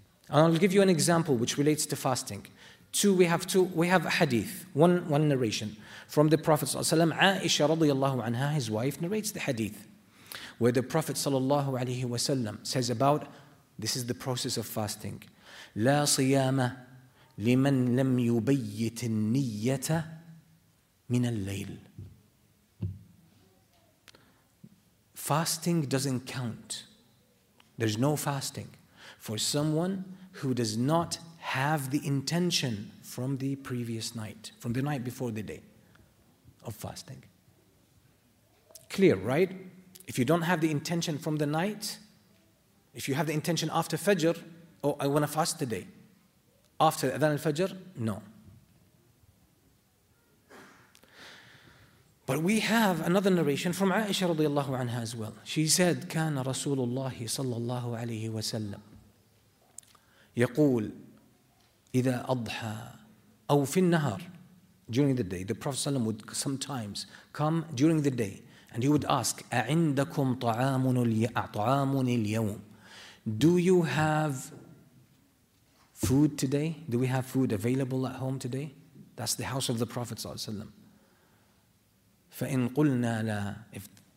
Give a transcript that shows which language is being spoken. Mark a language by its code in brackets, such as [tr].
[en] And I'll give you an example which relates to fasting. We have a hadith, one narration from the Prophet ﷺ. Aisha radiallahu anha, his wife, narrates the hadith where the Prophet ﷺ says about, this is the process of fasting. [ar] لا صيام لمن لم يبيت النية من الليل. [en] Fasting doesn't count. There's no fasting for someone who does not have the intention from the previous night, from the night before the day of fasting. Clear, right? If you don't have the intention from the night, if you have the intention after Fajr, oh, I want to fast today. After Adhan al-Fajr, no. But we have another narration from Aisha radiallahu anha as well. She said, [ar] كان رسول الله صلى الله عليه وسلم يقول إذا أضحى أو في النهار. [en] During the day, the Prophet ﷺ would sometimes come during the day and he would ask, [ar] أعندكم طعامن اليوم? [en] Do you have food today? Do we have food available at home today? That's the house of the Prophet ﷺ. [ar] فَإِن قُلْنَا لَا, [en] if